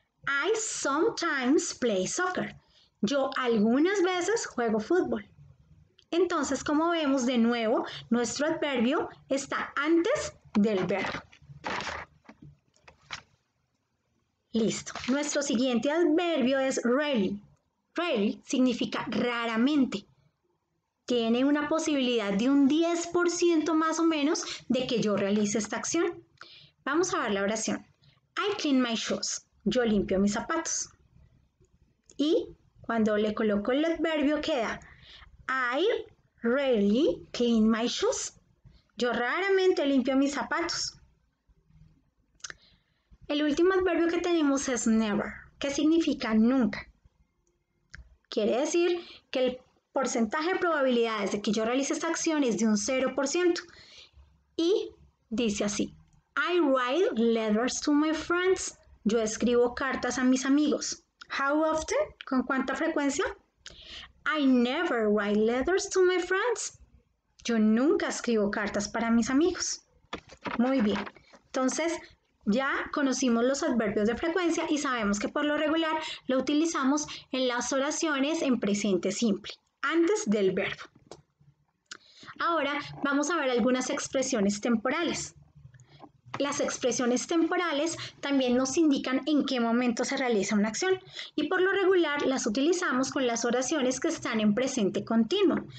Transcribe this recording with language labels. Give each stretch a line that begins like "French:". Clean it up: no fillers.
English: I sometimes play soccer.
Spanish: Yo algunas veces juego fútbol. Entonces, como vemos de nuevo, nuestro adverbio está antes del verbo. Listo. Nuestro siguiente adverbio es rarely. Rarely significa raramente. Tiene una posibilidad de un 10% más o menos de que yo realice esta acción. Vamos a ver la oración.
English: I clean my shoes.
Spanish: Yo limpio mis zapatos. Y cuando le coloco el adverbio queda
English: I rarely clean my shoes.
Spanish: Yo raramente limpio mis zapatos. El último adverbio que tenemos es never, que significa nunca. Quiere decir que el porcentaje de probabilidades de que yo realice esta acción es de un 0%. Y dice así,
English: I write letters to my friends.
Spanish: Yo escribo cartas a mis amigos.
English: How often?
Spanish: ¿Con cuánta frecuencia?
English: I never write letters to my friends.
Spanish: Yo nunca escribo cartas para mis amigos. Muy bien. Entonces, ya conocimos los adverbios de frecuencia y sabemos que por lo regular lo utilizamos en las oraciones en presente simple, antes del verbo. Ahora vamos a ver algunas expresiones temporales. Las expresiones temporales también nos indican en qué momento se realiza una acción y por lo regular las utilizamos con las oraciones que están en presente continuo.